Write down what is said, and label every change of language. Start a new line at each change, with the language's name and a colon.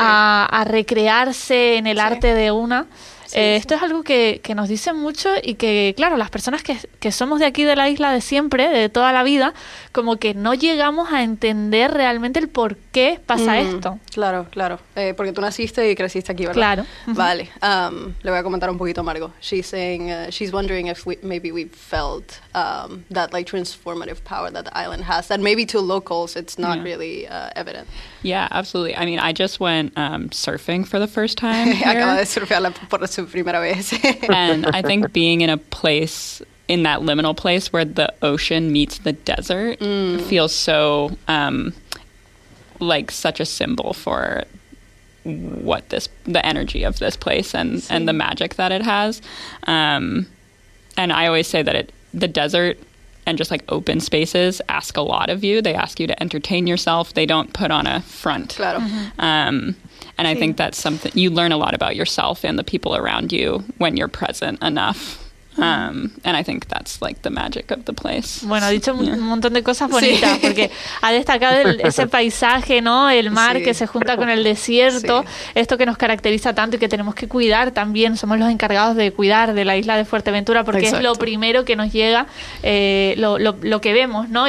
Spanish: a recrearse en el sí. arte de una. Esto es algo que nos dicen mucho y que, claro, las personas que somos de aquí, de la isla de siempre, de toda la vida, como que no llegamos a entender realmente el por qué pasa esto. Claro, claro. Porque tú naciste y creciste aquí, ¿verdad? Claro. Vale. Le voy a comentar un poquito a Margo.
English: She's wondering if we felt that like transformative power that the island has, that maybe to locals it's not really evident. Yeah, absolutely. I mean, I just went surfing for the first time.
Spanish: Acaba de surfear por su primera vez.
English: And I think being in a place, in that liminal place where the ocean meets the desert, feels so like such a symbol for what this, the energy of this place and the magic that it has. And I always say that the desert and just like open spaces ask a lot of you. They ask you to entertain yourself. They don't put on a front.
Spanish: Claro.
English: And sí. I think that's something you learn a lot about yourself and the people around you when you're present enough. And I think that's like the magic of the place.
Spanish: Bueno, ha dicho un montón de cosas bonitas sí. porque ha destacado ese paisaje, ¿no? El mar sí. que se junta con el desierto, sí. esto que nos caracteriza tanto y que tenemos que cuidar también. Somos los encargados de cuidar de la isla de Fuerteventura porque Exacto. es lo primero que nos llega, lo que vemos, ¿no?